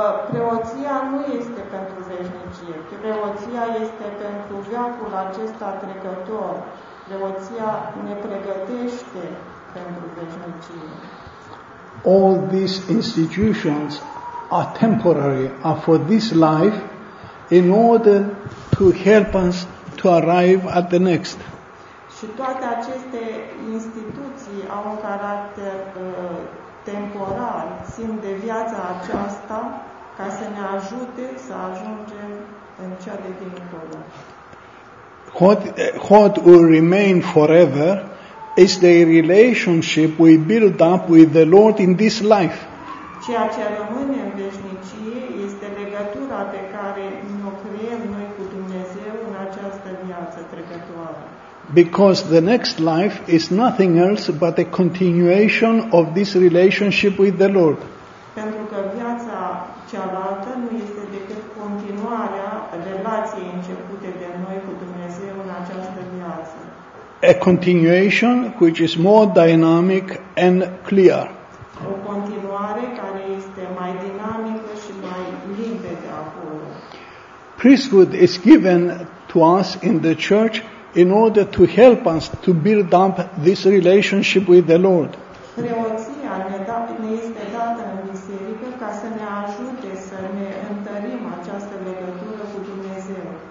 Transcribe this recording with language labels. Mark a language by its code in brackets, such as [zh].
[ro] Preoția nu este pentru veșnicie. Preoția este pentru veacul acesta trecător. Preoția ne pregătește pentru veșnicie. [en] All these institutions are temporary, are for this life, in order to help us to arrive at the next. [ro] Și toate aceste instituții au un caracter temporal, țin de viața aceasta ca să ne ajute să ajungem în cea de dincolo. [en] What will remain forever is the relationship we build up with the Lord in this life. [ro] Ceea ce rămâne în veșnicie este legătura pe care ne-o creăm noi cu Dumnezeu în această viață trecătoare. [en] Because the next life is nothing else but a continuation of this relationship with the Lord. [ro] Pentru că viața cealaltă nu este decât continuarea relației începute de noi cu Dumnezeu în această viață. [en] A continuation which is more dynamic and clear. [ro] O continuare care este mai dinamică și mai limpede acolo. [en] Priesthood is given to us in the church in order to help us to build up this relationship with the Lord. [ro] Preoția ne este dată în biserică ca să ne ajute să ne întărim această legătură cu Dumnezeu.